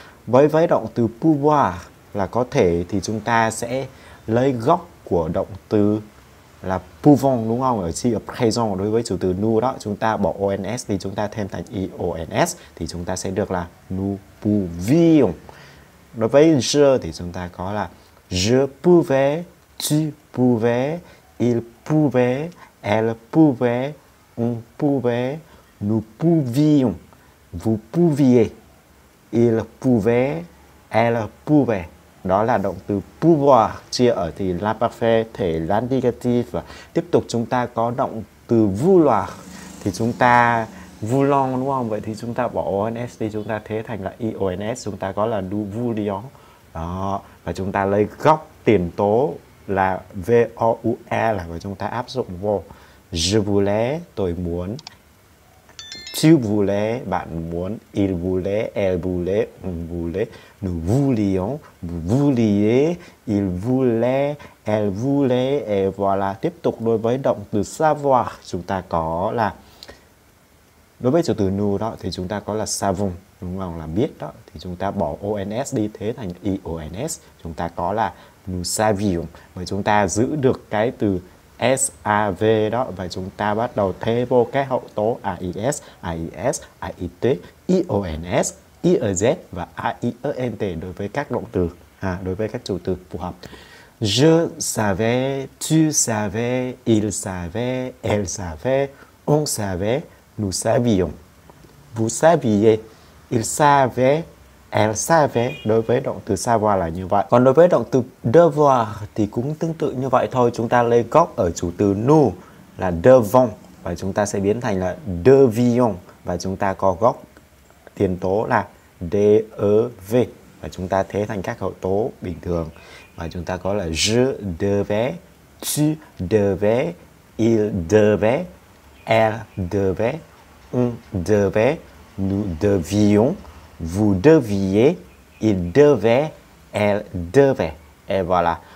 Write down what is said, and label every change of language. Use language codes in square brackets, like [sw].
[vi] Với động từ pouvoir là có thể thì chúng ta sẽ lấy gốc của động từ là pouvons, đúng không? Ở chi ở présent đối với chủ từ nous đó, chúng ta bỏ ons thì chúng ta thêm thành ions thì chúng ta sẽ được là [fr] nous pouvions. [vi] Đối với je thì chúng ta có là [fr] je pouvais, tu pouvais, il pouvait, elle pouvait, on pouvait, nous pouvions, vous pouviez, il pouvait, elle pouvait. [vi] Đó là động từ pouvoir chia ở thì l'imparfait thể l'indicatif. Tiếp tục chúng ta có động từ vouloir thì chúng ta voulons, đúng không? Vậy thì chúng ta bỏ ons đi, chúng ta thế thành là ions, chúng ta có là [fr] nous voulions. [vi] Đó, và chúng ta lấy gốc tiền tố là vouer và chúng ta áp dụng vô. [fr] Je voulais, [vi] tôi muốn. [fr] Tu voulais, [vi] bạn muốn. [fr] Il voulait, elle voulait, on voulait. Nous voulions, vous vouliez. Il voulait, elle voulait. Et voilà. [vi] Tiếp tục đối với động từ savoir, chúng ta có là, đối với chủ từ nous đó thì chúng ta có là savons, đúng không? Là biết đó, thì chúng ta bỏ ons đi thế thành ions, chúng ta có là [fr] nous savions, [vi] và chúng ta giữ được cái từ sav đó, và chúng ta bắt đầu thế vô cái hậu tố ais, ies, ait, ions, iez và aient đối với các động từ, à, đối với các chủ từ phù hợp. [fr] Je savais, tu savais, il savait, elle savait, on savait, nous savions, vous saviez, il savait, elle savait. [vi] Đối với động từ savoir là như vậy. Còn đối với động từ devoir thì cũng tương tự như vậy thôi. Chúng ta lấy gốc ở chủ từ nous là devons và chúng ta sẽ biến thành là devions, và chúng ta có gốc tiền tố là dev và chúng ta thế thành các hậu tố bình thường, và chúng ta có là [fr] je devais, tu devais, il devait, elle devait, on devait, nous devions, vous deviez, il devait, elle devait. Et voilà.